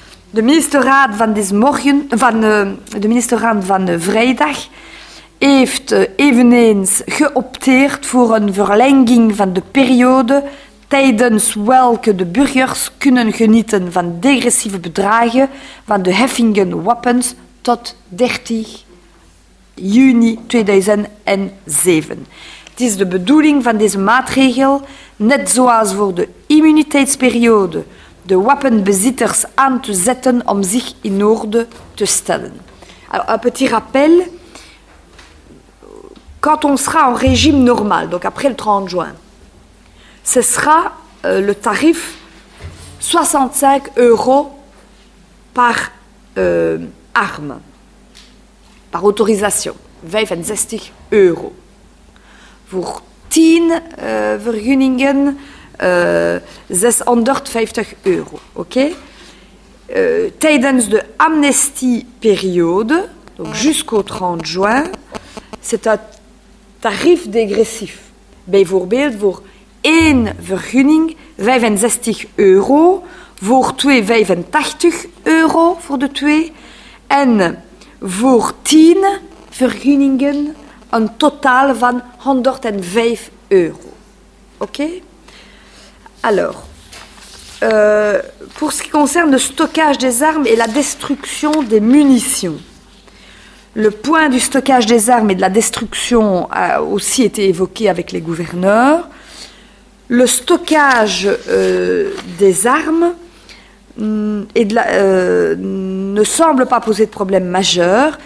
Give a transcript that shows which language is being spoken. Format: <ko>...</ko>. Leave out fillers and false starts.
<nl>De ministerraad van deze morgen, de ministerraad van vrijdag heeft eveneens geopteerd voor een verlenging van de periode tijdens welke de burgers kunnen genieten van degressieve bedragen van de heffingen wapens tot 30 juni 2007. Het is de bedoeling van deze maatregel, net zoals voor de immuniteitsperiode, de wapenbezitters aan te zetten om zich in orde te stellen.</nl> <fr>Alors, un petit rappel, quand on sera en régime normal, donc après le 30 juin, ce sera le tarif 65 euros par arme, par autorisation, 65 euros.</fr> <nl>Voor 10 vergunningen, 650 euro. Okay? Tijdens de amnestieperiode,</nl> <fr>donc jusqu'au 30 juin, c'est un tarif dégressif.</fr> <nl>Bijvoorbeeld voor 1 vergunning 65 euro, voor 2 85 euro voor de 2 en voor 10 vergunningen een totaal van 105 euro. Oké?</nl> <fr>Alors, pour ce qui concerne le stockage des armes et la destruction des munitions, le point du stockage des armes et de la destruction a aussi été évoqué avec les gouverneurs. Le stockage des armes ne semble pas poser de problème majeur.</fr>